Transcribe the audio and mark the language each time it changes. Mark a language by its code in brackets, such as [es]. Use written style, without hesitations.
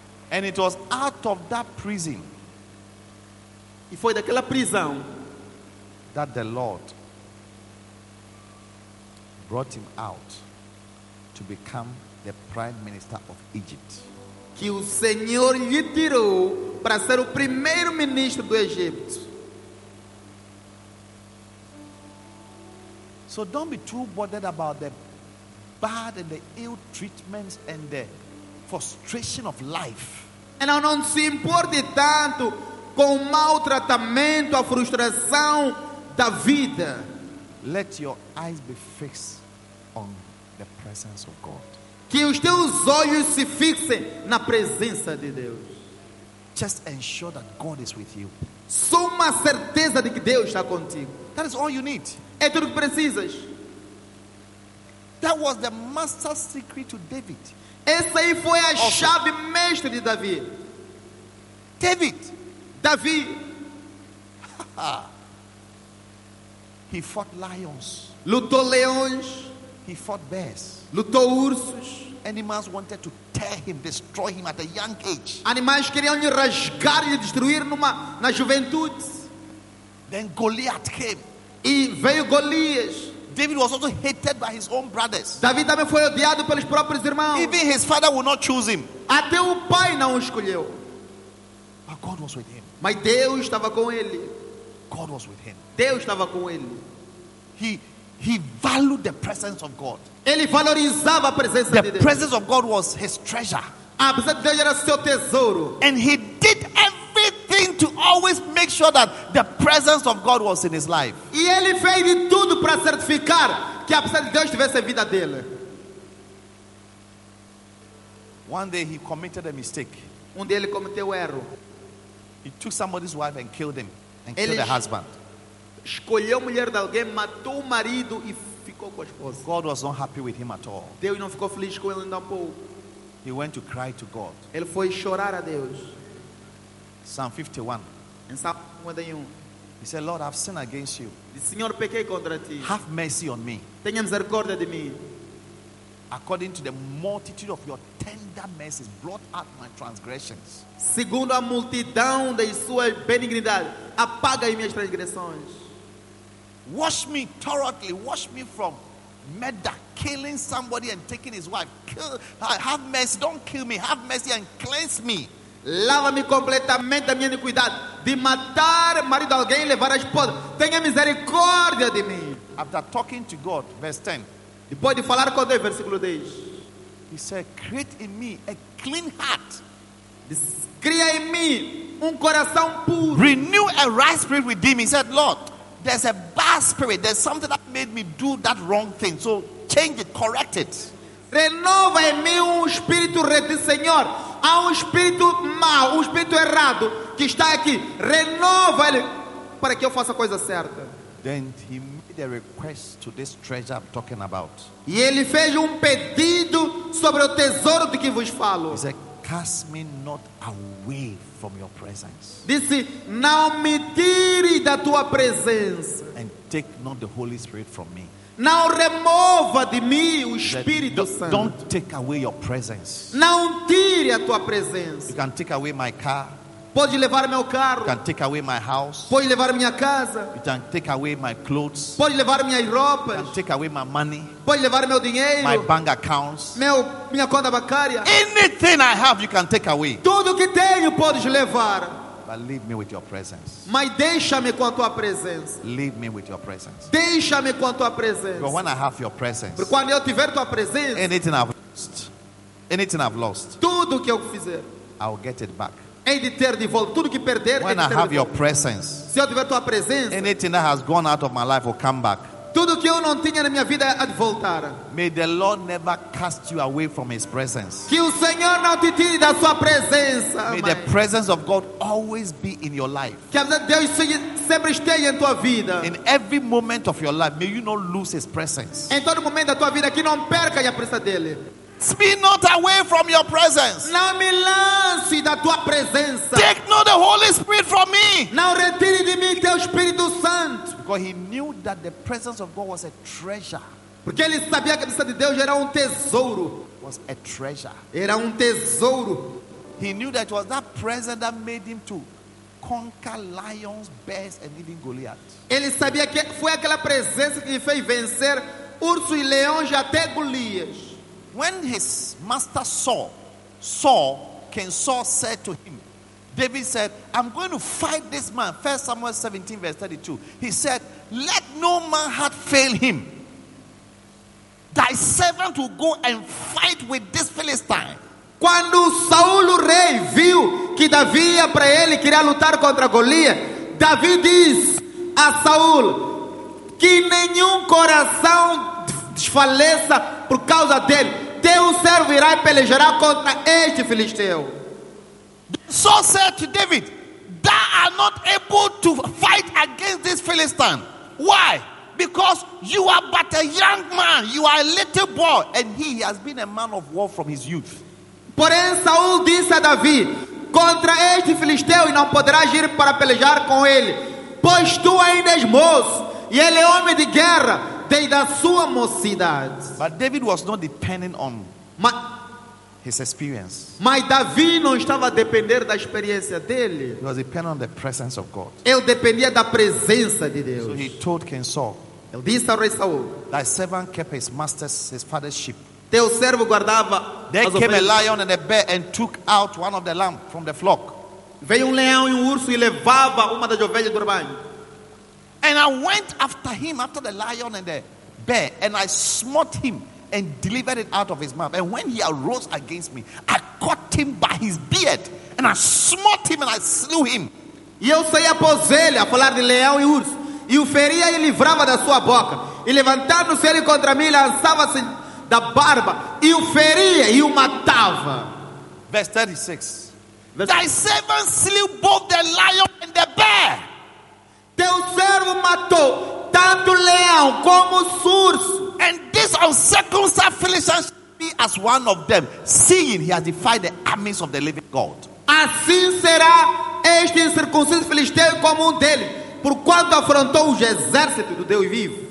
[en] And it was out of that prison. [pt] E foi daquela prisão. [en] That the Lord brought him out to become the prime minister of Egypt. [pt] Que o Senhor lhe tirou para ser o primeiro ministro do Egito. [en] So don't be too bothered about the bad and the ill treatments and the frustration of life. [pt] E não se importe tanto com o maltratamento, a frustração da vida. [en] Let your eyes be fixed on the presence of God. [pt] Que os teus olhos se fixem na presença de Deus. [en] Just ensure that God is with you. [pt] Só uma certeza de que Deus está contigo. [en] That is all you need. [pt] É tudo que precisas. [en] That was the master secret to David. [pt] Essa aí foi a chave mestre de Davi. [en] David. [pt] Davi. [en] He fought lions. [pt] Lutou leões. [en] He fought bears. [pt] Lutou ursos. [en] Animals wanted to tear him, destroy him at a young age. [pt] Animais queriam lhe rasgar e destruir na juventude. [en] Then Goliath came. [pt] E veio Golias. [en] David was also hated by his own brothers. [pt] Davi também foi odiado pelos próprios irmãos. [en] Even his father would not choose him. [pt] Até o pai não o escolheu. [en] But God was with him. [pt] Mas Deus estava com ele. [en] God was with him. [pt] Deus estava com ele. [en] He valued the presence of God. [pt] Ele valorizava a presença de Deus. [en] The presence of God was his treasure. [pt] A presença de Deus era seu tesouro. [en] And he did everything to always make sure that the presence of God was in his life. [pt] E ele fez de tudo para certificar que a presença de Deus estivesse na vida dele. [en] One day he committed a mistake. [pt] Um dia ele cometeu erro. [en] He took somebody's wife and killed him. And killed the husband. [pt] Escolheu a mulher de alguém, matou o marido e ficou com a esposa. [en] God was not happy with him at all. [pt] Deus não ficou feliz com ele nem um pouco. [en] He went to cry to God. [pt] Ele foi chorar a Deus. [en] Psalm 51. [pt] Em Salmo 51. [en] He said, Lord, I've sinned against you. [pt] Disse, Senhor, pequei contra ti. [en] Have mercy on me. [pt] Tenha misericórdia de mim. [en] According to the multitude of your tender mercies, blot out my transgressions. [pt] Segundo a multidão de sua benignidade, apaga as minhas transgressões. [en] Wash me thoroughly. Wash me from murder, killing somebody and taking his wife. Have mercy. Don't kill me. Have mercy and cleanse me. [pt] Lava-me completamente da minha iniquidade. De matar marido alguém, levar a esposa. Tenha misericórdia de mim. [en] After talking to God, verse 10. [pt] Depois de falar com Deus, versículo 10. [en] He said, create in me a clean heart. [pt] Cria em mim um coração puro. [en] Renew a right spirit within me. He said, Lord, there's a bad spirit. There's something that made me do that wrong thing. So change it, correct it. [pt] Renova em mim espírito reto, Senhor. Há espírito mau, espírito errado que está aqui. Renova ele para que eu faça a coisa certa. [en] Then he made a request to this treasure I'm talking about. [pt] E ele fez pedido sobre o tesouro de que vos falo. [en] He said, cast me not away from your presence. [pt] Disse, não me tire da tua presença. [en] And take not the Holy Spirit from me. [pt] Não remova de mim o Espírito Santo. [en] Don't take away your presence. [pt] Não tire a tua presença. [en] You can take away my car. [pt] Pode levar meu carro. [en] You can take away my house. [pt] Pode levar minha casa. [en] You can take away my clothes. [pt] Pode levar minha roupa. [en] You can take away my money. [pt] Pode levar meu dinheiro. [en] My bank accounts. [pt] Minha conta bancária. [en] Anything I have, you can take away. [pt] Tudo que tenho podes levar. [en] But leave me with your presence. [pt] Mas deixa-me com a tua presença. [en] Leave me with your presence. [pt] Deixa-me com a tua presença. [en] But when I have your presence, [pt] porque quando eu tiver tua presença, [en] anything I've lost, [pt] tudo que eu fizer, [en] I'll get it back. [pt] Hei de ter de volta tudo que perder. [en] When I have your presence, [pt] se eu tiver tua presença, [en] anything that has gone out of my life will come back. [pt] Tudo que eu não tinha na minha vida há de voltar. [en] May the Lord never cast you away from His presence. [pt] Que o Senhor não te tire da sua presença. [en] May the presence of God always be in your life. [pt] Que a presença de Deus sempre esteja em tua vida. [en] In every moment of your life, may you not lose His presence. [pt] Em todo momento da tua vida, que não perca a presença dele. [en] Be not away from your presence. [pt] Não me lance da tua presença. [en] Take not the Holy Spirit from me. [pt] Não retire de mim teu Espírito Santo. [en] Because he knew that the presence of God was a treasure. [pt] Porque ele sabia que a presença de Deus era tesouro. [en] Was a treasure. [pt] Era tesouro. [en] He knew that it was that presence that made him to conquer lions, bears, and even Goliath. [pt] Ele sabia que foi aquela presença que fez vencer urso e leão e até Golias. [en] When his master Saul, King Saul said to him, David said, I'm going to fight this man. 1 Samuel 17, verse 32. He said, let no man heart fail him. Thy servant will go and fight with this Philistine. [pt] Quando Saul o rei viu que Davi ia para ele e queria lutar contra Golias, Davi diz a Saul que nenhum coração desfaleça por causa dele. Teu servo irá e pelejará contra este filisteu. [en] So said to David, thou art not able to fight against this Philistine. Why? Because you are but a young man, you are a little boy, and he has been a man of war from his youth. [pt] Porém, Saul disse a Davi, contra este filisteu e não poderás ir para pelejar com ele, pois tu ainda és moço, e ele é homem de guerra. Da sua mocidade. [en] But David was not depending on his experience. [pt] Mas Davi não estava a depender da experiência dele. [en] He was depending on the presence of God. [pt] Ele dependia da presença de Deus. [en] So he told King Saul. [pt] Ele disse ao rei Saul. [en] Thy servant kept his father's sheep. [pt] Teu servo guardava. [en] There came a lion and a bear and took out one of the lamb from the flock. [pt] Veio leão e urso e levava uma das ovelhas do rebanho. [en] And I went after him, after the lion and the bear, and I smote him and delivered it out of his mouth. And when he arose against me, I caught him by his beard, and I smote him and I slew him. [pt] E eu saí após ele a falar de leão e urso, e o feria e livrava da sua boca. E levantando-se ele contra mim, lançava-se da barba, e o feria e o matava. [en] Verse 36. Thy servant slew both the lion and the bear. [pt] Teu servo matou tanto leão como urso. [en] And this uncircumcised Philistine be as one of them, seeing he has defied the armies of the living God. [pt] Assim será este incircunciso filisteu como dele, porquanto afrontou os exércitos do Deus vivo.